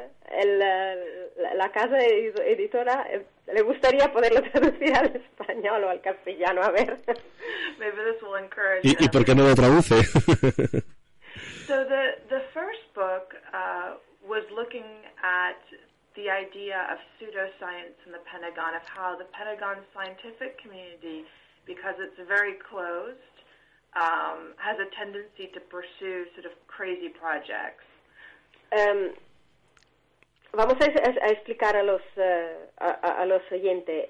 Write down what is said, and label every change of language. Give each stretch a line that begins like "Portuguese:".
Spanish: La casa editora le gustaría poderlo traducir al español o al castellano, a ver.
English: Maybe this will encourage.
Spanish: ¿Y por qué no lo traduce?
English: So the first book was looking at the idea of pseudoscience in the Pentagon, of how the Pentagon scientific community, because it's very closed, has a tendency to pursue sort of crazy projects.
Spanish: Vamos a explicar a los a los oyentes.